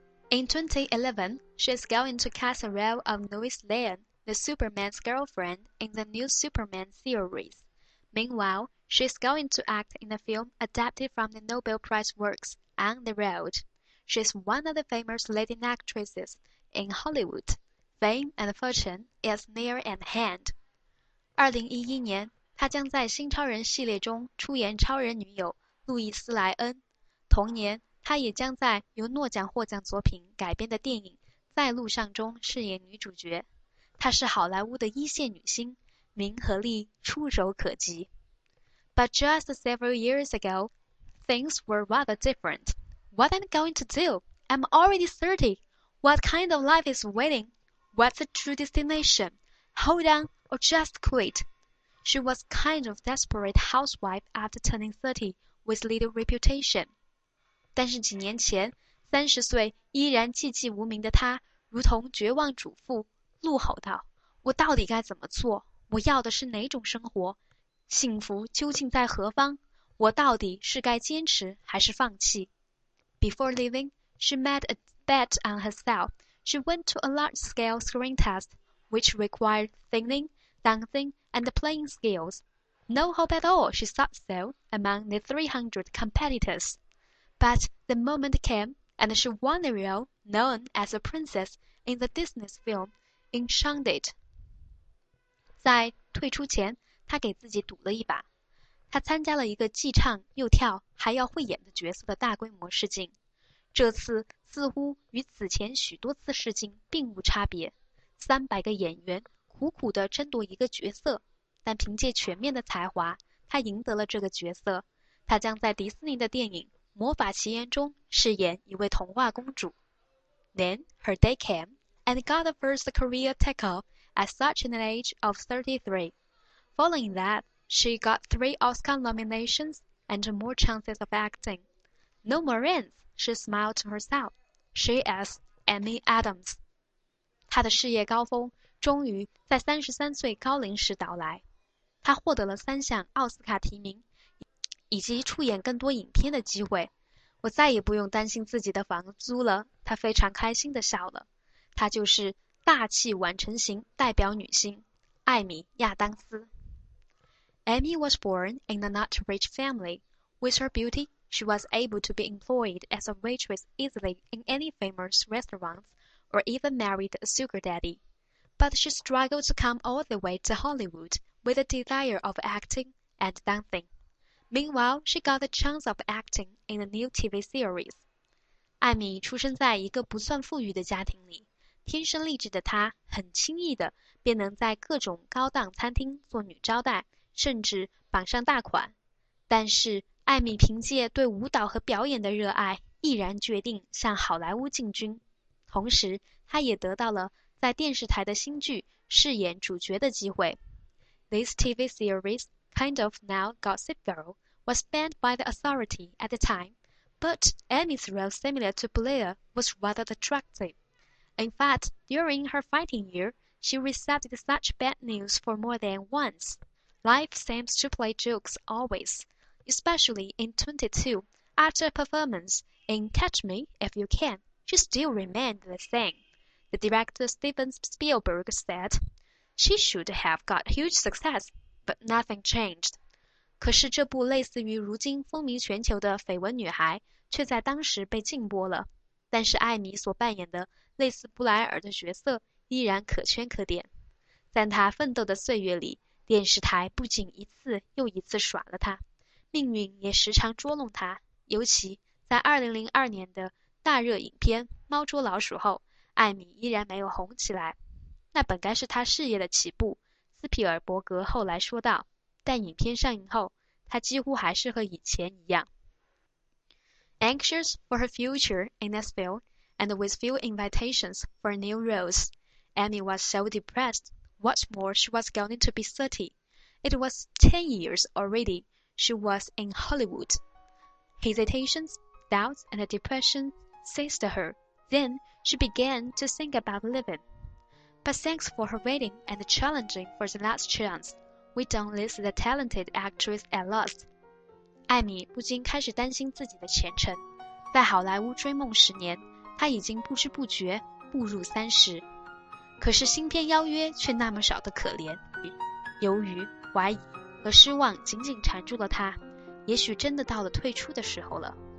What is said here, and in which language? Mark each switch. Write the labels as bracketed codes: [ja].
[en] In 2011, she's going to cast a role of Lois Lane, the Superman's girlfriend in the new Superman series. Meanwhile, she's going to act in a film adapted from the Nobel Prize works, On the Road. She's one of the famous leading actresses in Hollywood. Fame and fortune is near at hand. [zh] 2011年，她将在新超人系列中出演超人女友路易斯莱恩。同年，她也将在由诺奖获奖作品改编的电影《在路上》中饰演女主角。她是好莱坞的一线女星，名和利触手可及。 [en] But just several years ago, things were rather different. What am I going to do? I'm already 30. What kind of life is waiting? What's the true destination? Hold on or just quit? She was kind of desperate housewife after turning 30 with little reputation. [zh] 但是几年前，三十岁依然寂寂无名的她，如同绝望主妇，怒吼道：我到底该怎么做？我要的是哪种生活？幸福究竟在何方？我到底是该坚持还是放弃？ [en] Before leaving, she made a bet on herself. She went to a large-scale screen test, which required singing, dancing, and playing skills. No hope at all, she thought so, among the 300 competitors. But the moment came, and she won the role known as a princess in the Disney film, Enchanted. [zh] 在退出前，她给自己赌了一把。她参加了一个既唱又跳还要会演的角色的大规模试镜，这次似乎与此前许多次试镜并无差别。 300个演员苦苦地争夺一个角色，但凭借全面的才华，她赢得了这个角色。她将在迪士尼的电影《魔法奇缘》中饰演一位童话公主。 [en] Then her day came and got the first career tackle at such an age of 33. Following that,She got 3 Oscar nominations and more chances of acting. No more rents, she smiled to herself. She is Amy Adams. [zh] 她的事业高峰终于在33岁高龄时到来。她获得了三项奥斯卡提名以及出演更多影片的机会。我再也不用担心自己的房租了，她非常开心地笑了。她就是大器晚成型代表女星艾米·亚当斯。 [en] Amy was born in a not-rich family. With her beauty, she was able to be employed as a waitress easily in any famous restaurants or even married a sugar daddy. But she struggled to come all the way to Hollywood with a desire of acting and dancing. Meanwhile, she got the chance of acting in a new TV series. [zh] 艾米出生在一个不算富裕的家庭里，天生丽质的她很轻易地便能在各种高档餐厅做女招待。甚至榜上大款，但是艾米凭借对舞蹈和表演的热爱，毅然决定向好莱坞进军。同时，她也得到了在电视台的新剧饰演主角的机会。 [en] This TV series, kind of now Gossip Girl, was banned by the authority at the time, but Amy's role, similar to Blair, was rather attractive. In fact, during her fighting year, she received such bad news for more than once. Life seems to play jokes always, especially in 22, after a performance in Catch Me If You Can, she still remained the same. The director Steven Spielberg said, She should have got huge success, but nothing changed. [zh] 可是这部类似于如今风靡全球的绯闻女孩却在当时被禁播了。但是艾米所扮演的类似布莱尔的角色依然可圈可点。在她奋斗的岁月里，电视台不仅一次又一次耍了他，命运也时常捉弄他。尤其在2002年的大热影片《猫捉老鼠》后，艾米依然没有红起来。那本该是他事业的起步，斯皮尔伯格后来说道。但影片上映后，他几乎还是和以前一样。 [en] Anxious for her future in this field, and with few invitations for new roles, Amy was so depressed. What's more, she was going to be 30. It was 10 years already she was in Hollywood. Hesitations, doubts, and depression seized her. Then she began to think about living. But thanks for her waiting and challenging for the last chance, we don't lose the talented actress at last. [zh] 艾米不禁开始担心自己的前程。在好莱坞追梦10年，他已经不知不觉步入三十，可是新片邀约却那么少的可怜。由于怀疑和失望紧紧缠住了他，也许真的到了退出的时候了。